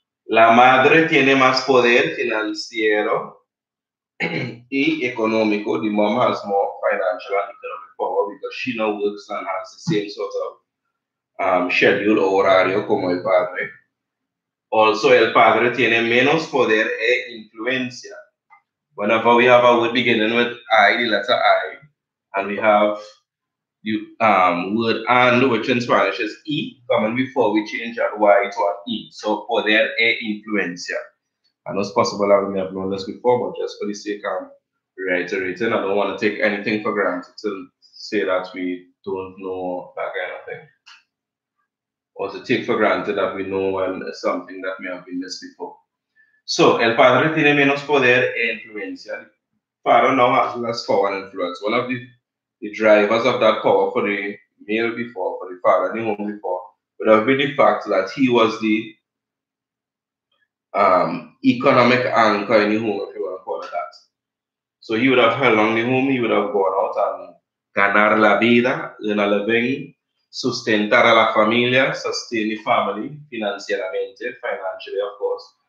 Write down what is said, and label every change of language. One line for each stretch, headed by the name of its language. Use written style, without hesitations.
Spanish: La madre tiene más poder financiero y económico.
English: The mom has more financial and economic power because she now works and has the same sort of schedule
Spanish: o horario como el padre. Also, el padre tiene menos poder e influencia.
English: Whenever we have a word beginning with I, the letter I, and we have the word and, which in Spanish is E, coming before, we change that Y to an E. So,
Spanish: poder e influencia.
English: I know it's possible that we may have known this before, but just for the sake of reiterating, I don't want to take anything for granted to say that we don't know that kind of thing. Or to take for granted that we know when something that may have been missed before.
Spanish: So, el padre tiene menos poder e influencia.
English: Father now has less power and influence. One of the drivers of that power for the male before, for the father, the home before, would have been the fact that he was the economic anchor in the home, if you want to call it that. So he would have held on the home, he would have gone out and
Spanish: ganar la vida,
English: earn a living,
Spanish: sustentar a la familia,
English: sustain the family
Spanish: financieramente,
English: financially, of course.